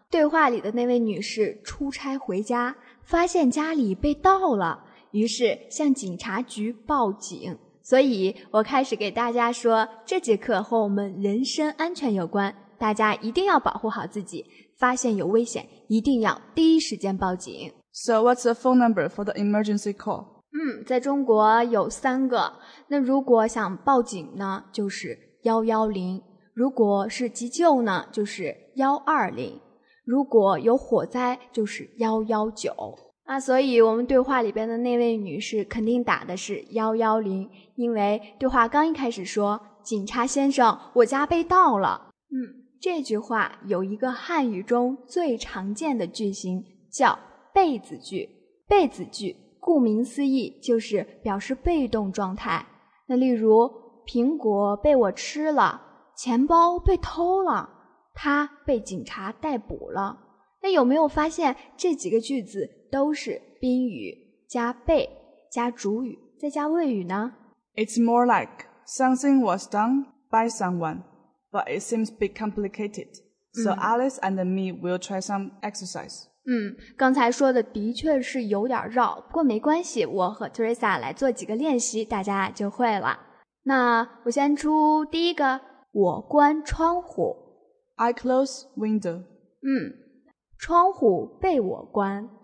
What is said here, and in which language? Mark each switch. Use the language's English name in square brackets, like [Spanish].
[Chinese] 对话里的那位女士出差回家，发现家里被盗了，于是向警察局报警。所以我开始给大家说，这节课和我们人身安全有关，大家一定要保护好自己，发现有危险，一定要第一时间报警。 [English] So what's the phone number for the emergency call? [Chinese] 在中国有3个。那如果想报警呢，就是110。如果是急救呢，就是120。如果有火灾，就是119。那所以我们对话里边的那位女士肯定打的是110，因为对话刚一开始说，警察先生，我家被盗了。这句话有一个汉语中最常见的句型叫被子句。被子句顾名思义就是表示被动状态。那例如苹果被我吃了，钱包被偷了，他被警察逮捕了。那有没有发现这几个句子都是宾语加被加主语再加谓语呢？ [English] It's more like something was done by someone, but it seems a bit complicated. So Alice and me will try some exercise. [Chinese] 刚才说的的确是有点绕，不过没关系，我和 Teresa 来做几个练习，大家就会了。那我先出第一个，我关窗户。 [English] I close window. [Chinese] 窗户被我关。